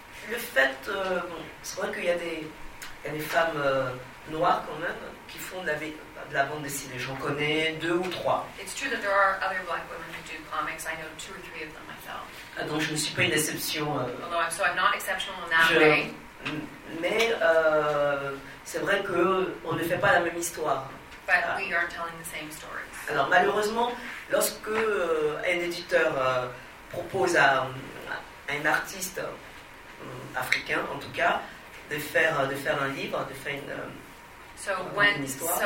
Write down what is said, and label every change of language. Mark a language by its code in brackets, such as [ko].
[fr] Le fait, c'est vrai qu'il y a des femmes noires quand même qui font de la bande dessinée. J'en connais deux ou trois. [en] It's true that there are other black women who do comics. I know two or three of them myself. [fr] Donc je ne suis pas une exception. [en] I'm not exceptional in that way. [fr] Mais c'est vrai que on ne fait pas la même histoire. [en] But we aren't telling the same stories. [fr] Alors malheureusement, lorsque un éditeur propose à un artiste africain, en tout cas, de faire un livre, de faire une histoire.